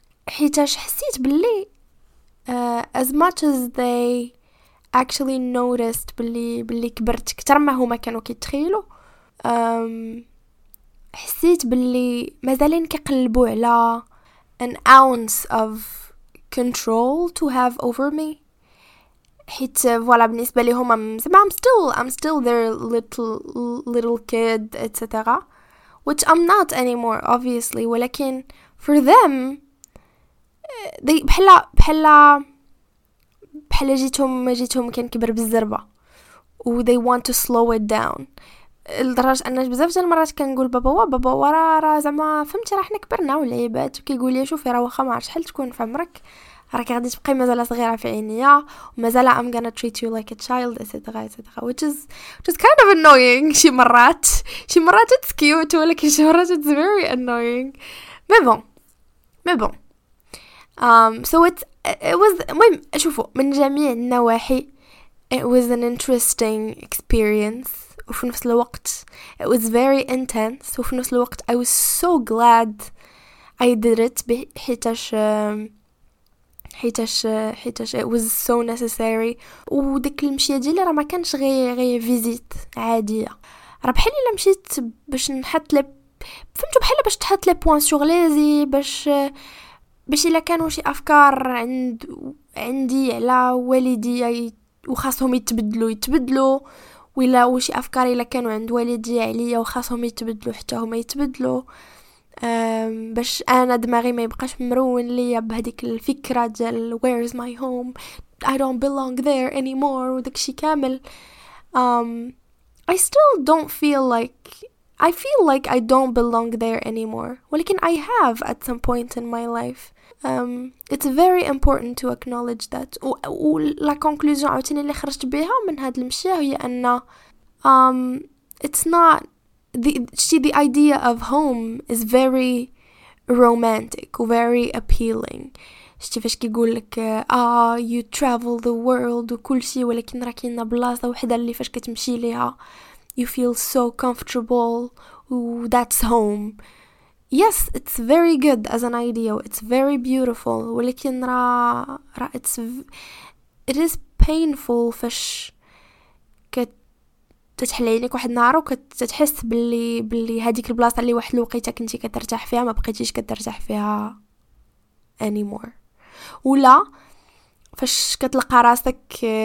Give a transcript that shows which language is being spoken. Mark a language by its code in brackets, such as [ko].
[ar] حيتاش حسيت باللي [en] as much as they actually noticed [ar] باللي كبرت كتر ما هما كانوا كيتخيلوا, حسيت باللي مازالين كيقلبوا على [en] an ounce of control to have over me. [ar] حيت فوالا بالنسبه ليهم [en] I'm still their little kid etc, which I'm not anymore obviously, ولكن for them they [ar] بحال جيتهم كان كبر بالزربه و [en] they want to slow it down. [ar] لدرجه ان بزاف ديال المرات كنقول بابا راه زعما فهمتي راه حنا كبرنا ولعبات, وكيقول لي شوفي راه واخا ما عرفتش شحال تكون في عمرك راكي غادي تبقي مازال صغيره في عينيا, ومازال [en] I'm gonna treat you like a child etc, which is kind of annoying. [ar] شي مرات [en] it's cute, [ar] ولكن شي مرات [en] it's very annoying. [ar] مي بون [en] so it was [ar] المهم شوفوا من جميع النواحي [en] it was an interesting experience, [ar] وفي نفس الوقت [en] it was very intense, وفي نفس الوقت I was so glad I did it, [ar] حيتاش [en] it was so necessary. [ar] وديك المشيه ديالي راه ما كانش غير فيزيت عاديه, راه بحال الا مشيت باش نحط لي فهمتوا بحال باش تحط لي [fr] بوين سور ليزي, [ar] باش الا كانوا شي افكار عندي على والدي وخاصهم يتبدلوا, ولا شي افكار الا كانوا عند والدي عليا وخاصهم يتبدلوا حتى هما يتبدلوا, باش انا دماغي ما يبقاش مرون ليا بهذيك الفكره ديال [en] where is my home, I don't belong there anymore, [ar] وداك الشيء كامل. [en] I still don't feel like I feel like I don't belong there anymore, [ar] ولكن [en] I have at some point in my life. It's very important to acknowledge that. [fr] La conclusion [ar] عاوتاني اللي خرجت بها من هاد المشي هي ان [en] it's not the idea of home is very romantic, very appealing. [ar] شتي فاش كيقول لك [en] you travel the world [ar] وكل شيء, ولكن راه كاينه بلاصه وحده اللي فاش كتمشي ليها [en] you feel so comfortable, that's home. Yes, it's very good as an idea, it's very beautiful, [ar] ولكن راه [en] it is painful [ar] فاش تتحلي عليك واحد النهار وكتحس بلي هذيك البلاصه اللي واحد الوقيته كنتي كترتاح فيها ما بقيتيش كترتاح فيها anymore, ولا فاش كتلقى راسك